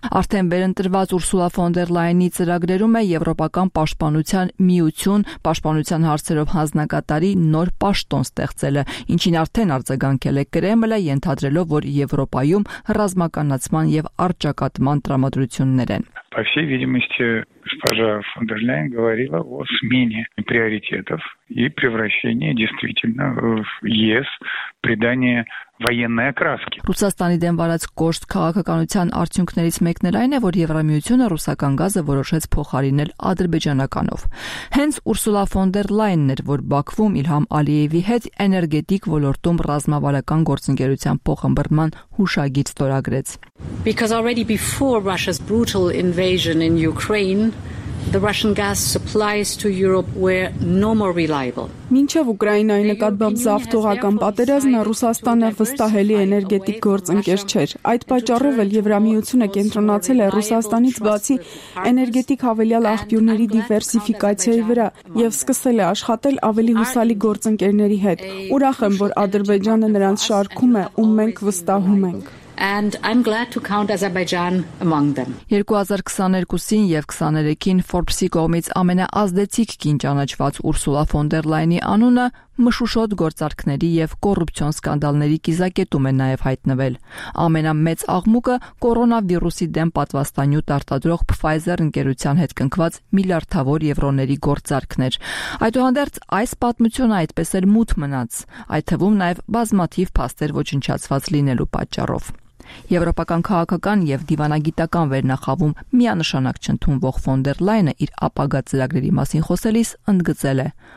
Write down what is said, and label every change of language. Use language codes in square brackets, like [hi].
[hy] Արդեն վերընտրված Ուրսուլա ֆոն դեր Լայենի ծրագրերում է Եվրոպական պաշտպանության միություն, պաշտպանության հարցերով հանձնակատարի նոր պաշտոն ստեղծելը, ինչին արդեն արձագանքել է Կրեմլը, ենթադրելով, որ Եվրոպայում ռազմականացման և արճակատման տրամադրություններ են։ [ru] По всей видимости, госпожа фон дер Лейн говорила о смене приоритетов и превращении действительно в ЕС, придание военной окраски. [hy] Ռուսաստանի դեմ վարած կոշտ քաղաքականության արդյունքներից մեկն այն է, որ Եվրամիությունը ռուսական գազը որոշեց փոխարինել ադրբեջանականով։ Հենց Ուրսուլա ֆոն դեր Լայենն էր, որ Բաքվում Իլհամ Ալիևի հետ էներգետիկ ոլորտում ռազմավարական գործընկերության փոխմբռնման հուշագիծ ստորագրեց։ [en] Because already before Russia's brutal invasion in Ukraine, the Russian gas supplies to Europe were no more reliable. [hy] Մինչև Ուկրաինայի նկատմամբ զավթողական պատերազմը Ռուսաստանը վստահելի էներգետիկ գործընկեր չէր։ Այդ պատճառով էլ Եվրամիությունը կենտրոնացել է Ռուսաստանից բացի էներգետիկ հավելյալ աղբյուրների դիվերսիֆիկացիայի վրա և սկսել է աշխատել ավելի հուսալի գործընկերների հետ։ Ուրախ եմ, որ Ադրբեջանը նրանց շարքում է, ու մենք վստահում ենք։ [en] And I'm glad to count Azerbaijan among them. [hy] 2022-ին եւ 23-ին Forbes-ի կողմից ամենաազդեցիկ կին ճանաչված Ուրսուլա ֆոն դեր Լայենի անունը մշուշոտ գործարքների եւ կոռուպցիոն սկանդալների կիզակետում է նաեւ հայտնվել։ Ամենամեծ աղմուկը կորոնավիրուսի դեմ պատվաստանյութ արտադրող Pfizer ընկերության հետ կնքված միլիարդավոր եվրոների գործարքն էր։ Այդուհանդերձ այս պատմությունը այդպես էլ մութ մնաց, այդ թվում նաեւ բազմաթիվ փաստեր ոչնչացված լինելու պատճառով։ Եվրոպական քաղաքական և դիվանագիտական վերնախավում միանշանակ չընդունվող ֆոն դեր Լայենը իր ապագա ծրագրերի մասին խոսելիս ընդգծել է.